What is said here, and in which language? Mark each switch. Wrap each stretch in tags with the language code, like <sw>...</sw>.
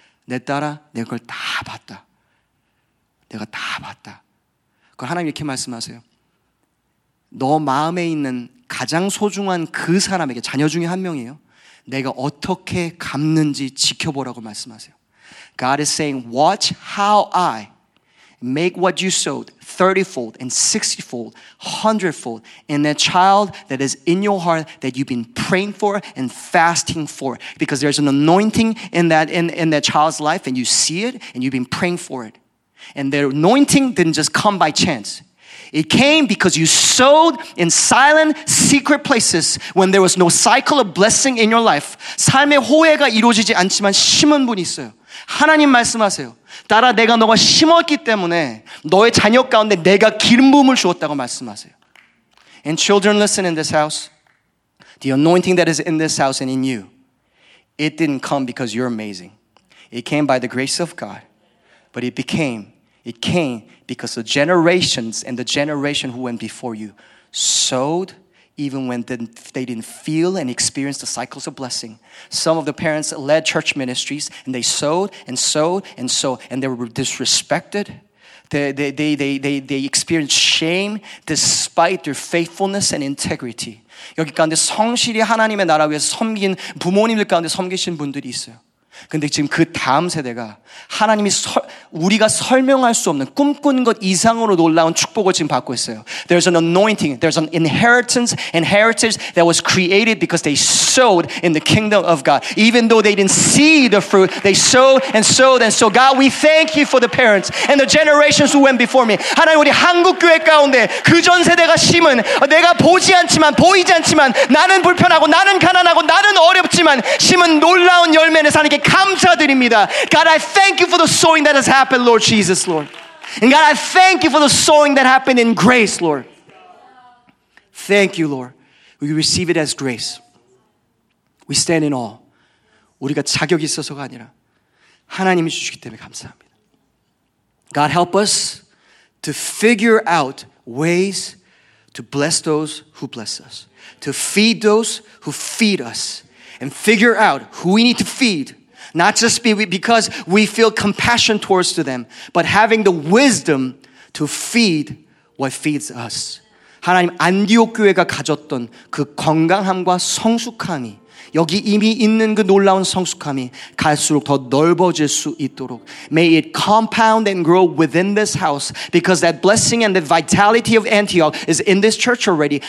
<ko>내 딸아, 내가 그걸 다 봤다. 내가 다 봤다. 그 하나님 이렇게 말씀하세요. 너 마음에 있는 가장 소중한 그 사람에게 자녀 중에 한 명이에요. 내가 어떻게 갚는지 지켜보라고 말씀하세요.</ko> <en>God is saying, watch how I make what you sowed 30-fold and 60-fold, 100-fold in that child that is in your heart that you've been praying for and fasting for. Because there's an anointing in that child's life and you see it and you've been praying for it. And their anointing didn't just come by chance. It came because you sowed in silent, secret places when there was no cycle of blessing in your life.</en> <ko>삶의 호혜가 이루어지지 않지만 심은 분이 있어요. 하나님 말씀하세요. 따라 내가 너가 심었기 때문에 너의 자녀 가운데 내가 기름 부음을 주었다고 말씀하세요.</ko> <en>And children, listen in this house. The anointing that is in this house and in you, it didn't come because you're amazing. It came by the grace of God. But it came because the generations and the generation who went before you sowed even when they didn't feel and experience the cycles of blessing. Some of the parents led church ministries and they sowed and sowed and sowed and they were disrespected. They experienced shame despite their faithfulness and integrity.</en> <ko>여기 가운데 성실히 하나님의 나라 위해 섬긴 부모님들 가운데 섬기신 분들이 있어요. 근데 지금 그 다음 세대가 하나님이 우리가 설명할 수 없는 꿈꾼 것 이상으로 놀라운 축복을 지금 받고 있어요.</ko> <en>There's an anointing, there's an inheritance and heritage that was created because they sowed in the kingdom of God. Even though they didn't see the fruit, they sowed and sowed and sowed. God, we thank you for the parents and the generations who went before me.</en> <ko>하나님 우리 한국 교회 가운데 그 전 세대가 심은 내가 보지 않지만 보이지 않지만 나는 불편하고 나는 가난하고 나는 어렵지만 심은 놀라운 열매를 사는 감사드립니다.</ko> <en>God, I thank you for the sowing that has happened, Lord Jesus, Lord. And God, I thank you for the sowing that happened in grace, Lord. Thank you, Lord. We receive it as grace. We stand in awe.</en> <ko>우리가 자격이 있어서가 아니라 하나님이 주시기 때문에 감사합니다.</ko> <en>God, help us to figure out ways to bless those who bless us, to feed those who feed us, and figure out who we need to feed, not just because we feel compassion towards them, but having the wisdom to feed what feeds us.</en> <ko>하나님, 안디옥 교회가 가졌던 그 건강함과 성숙함이 여기 이미 있는 그 놀라운 성숙함이 갈수록 더 넓어질 수 있도록</ko> <en>May it compound and grow within this house because that blessing and the vitality of Antioch is in this church already.</en>